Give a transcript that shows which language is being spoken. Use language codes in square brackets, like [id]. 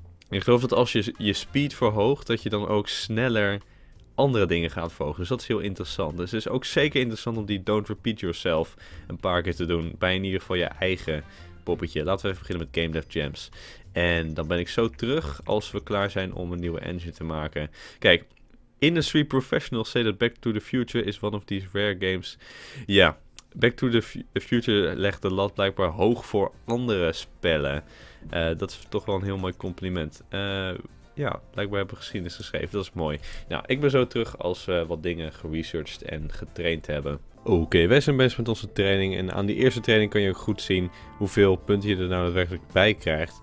[nl] Ik geloof dat als je je speed verhoogt, dat je dan ook sneller andere dingen gaat verhogen. Dus dat is heel interessant. Dus het is ook zeker interessant om die [en] don't repeat yourself [nl] een paar keer te doen. Bij in ieder geval je eigen poppetje. Laten we even beginnen met Game Dev Gems. En dan ben ik zo terug als we klaar zijn om een nieuwe engine te maken. [en] Kijk, industry professionals say that Back to the Future is one of these rare games. [nl] Ja, Back to the Future legt de lat blijkbaar hoog voor andere spellen. Dat is toch wel een heel mooi compliment. Ja, blijkbaar hebben we geschiedenis geschreven. Dat is mooi. Nou, ik ben zo terug als we wat dingen geresearched en getraind hebben. Oké, wij zijn bezig met onze training. En aan die eerste training kan je ook goed zien hoeveel punten je er nou daadwerkelijk bij krijgt.